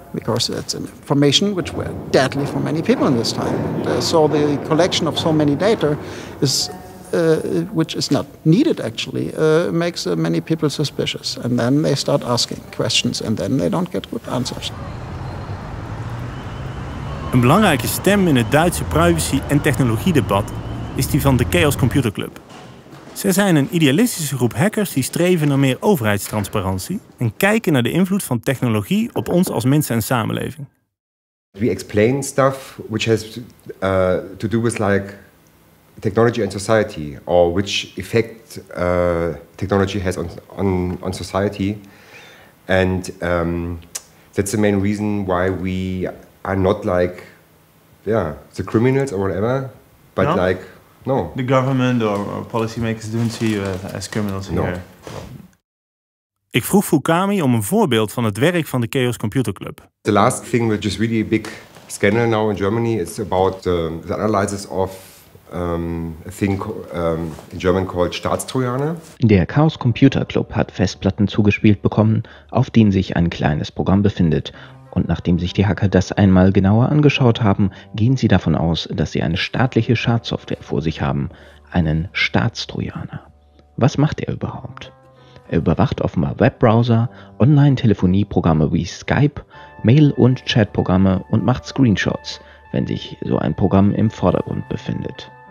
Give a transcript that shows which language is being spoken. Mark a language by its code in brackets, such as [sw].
[en] because it's an information which were deadly for many people in this time. So the collection of so many data is... which is not needed, actually, makes many people suspicious. And then they start asking questions, and then they don't get good answers. [nl] Een belangrijke stem in het Duitse privacy- en technologiedebat is die van de Chaos Computer Club. Zij zijn een idealistische groep hackers die streven naar meer overheidstransparantie en kijken naar de invloed van technologie op ons als mensen en samenleving. [en] We explain stuff which has to do with like technology and society, or which effect technology has on society. And that's the main reason why we are not like, yeah, the criminals or whatever, but no. Like, no. The government or policymakers don't see you as criminals no. Here. [nl] Ik vroeg Fukami om een voorbeeld van het werk van de Chaos Computer Club. [en] The last thing which is really a big scandal now in Germany is about the analysis of a thing in German called Staatstrojaner. [de] Der Chaos Computer Club hat Festplatten zugespielt bekommen, auf denen sich ein kleines Programm befindet. Und nachdem sich die Hacker das einmal genauer angeschaut haben, gehen sie davon aus, dass sie eine staatliche Schadsoftware vor sich haben, einen Staatstrojaner. Was macht er überhaupt? Er überwacht offenbar Webbrowser, Online-Telefonieprogramme wie Skype, Mail- und Chatprogramme und macht Screenshots, wenn sich so ein Programm im Vordergrund befindet.